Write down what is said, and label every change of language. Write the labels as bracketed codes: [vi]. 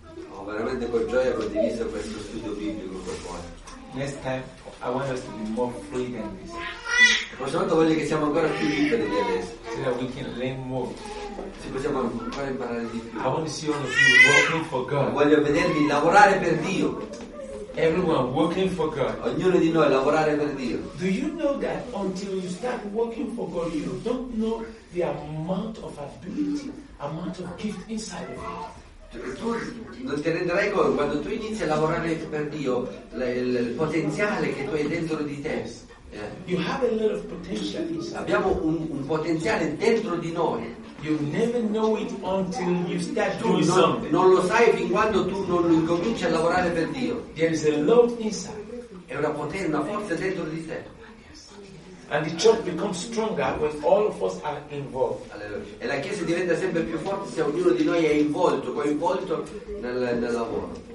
[it] Ho veramente con gioia condiviso questo studio biblico con voi. [en] Next time I want us to be more free than this. [it] La prossima volta voglio che siamo ancora più liberi di adesso. [en] So that we can learn more. [it] Ci possiamo ancora imparare di più. [en] I want to see all of you working for God. [it] Voglio vedervi lavorare per Dio. [en] Everyone working for God. [it] Ognuno di noi lavorare per Dio. [en] Do you know that until you start working for God, you don't know the amount of ability, amount of gift inside of you? [it] Tu non ti renderai conto quando tu inizi a lavorare per Dio, il potenziale che tu hai dentro di te. [en] Yes. Yeah. You have a lot of potential inside. [it] Abbiamo un potenziale dentro di noi. [en] You never know it until you start doing something. [it] Non lo sai fin quando tu non incominci a lavorare per Dio. [en] There is a load inside. [it] È una potenza, una forza dentro di te. [en] Yes. And the church becomes stronger when all of us are involved. Alleluia. [it] E la chiesa diventa sempre più forte se ognuno di noi è coinvolto nel lavoro.